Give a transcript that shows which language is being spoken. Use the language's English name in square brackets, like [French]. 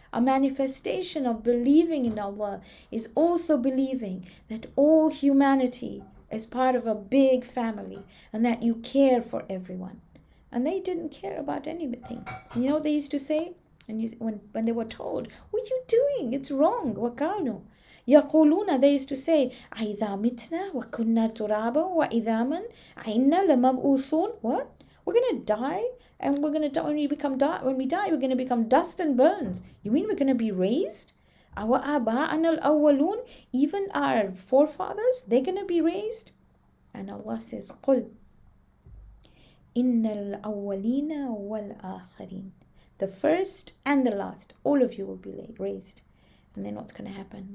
[English] A manifestation of believing in Allah is also believing that all humanity is part of a big family and that you care for everyone. And they didn't care about anything. You know what they used to say? And when they were told, what are you doing? It's wrong. [Arabic] وَقَالُوا يَقُولُونَ. [English] They used to say, [Arabic] أَيْذَا مِتْنَا وَكُنَّا تُرَابًا وَإِذَامًا أَيْنَّا لَمَبْؤُثُونَ. [English] What? We're going to die, and we're going to die. When we die, we're going to become dust and bones. You mean we're going to be raised? Our aba'ana al-awwalun, even our forefathers, they're going to be raised? And Allah says, [Arabic] قُلْ إِنَّ الْأَوَّلِينَ وَالْآخَرِينَ, [English] the first and the last, all of you will be raised. And then what's going to happen?